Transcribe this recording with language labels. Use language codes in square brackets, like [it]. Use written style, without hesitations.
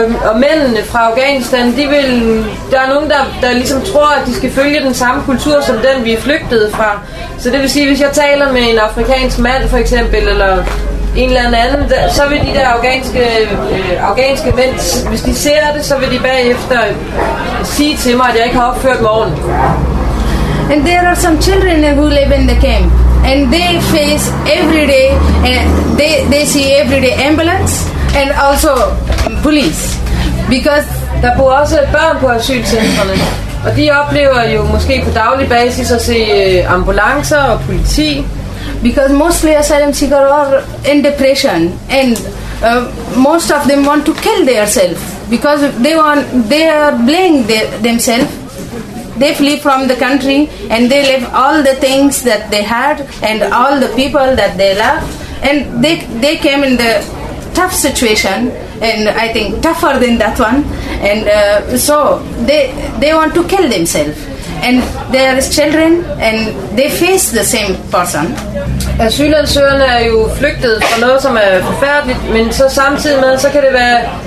[da] Og mændene fra Afghanistan, der er nogen, der ligesom tror, at de skal følge den samme kultur som den, vi er flygtet fra. Så det vil sige, hvis jeg taler med en afrikansk mand for eksempel, eller en eller anden, så vil de der afghanske mænd, hvis de ser det, så vil de bagefter sige til mig, at jeg ikke har opført mig ordentligt. [en] And there are some children who live in the camp, and they face every day, and they see every day ambulance and also police, because [da] der bor også børn på asylcentrene, og de oplever jo måske på daglig basis at se ambulancer og politi, [en] because mostly asylum seekers are in depression, and most of them want to kill themselves because they are blaming themselves. They flee from the country and they leave all the things that they had and all the people that they love, and they came in the tough situation, and I think tougher than that one, and so they want to kill themselves, and there is children and they face the same person. [da] Asylansøgerne er jo flygtet fra noget, som er forfærdeligt, men så samtidig med, så kan det være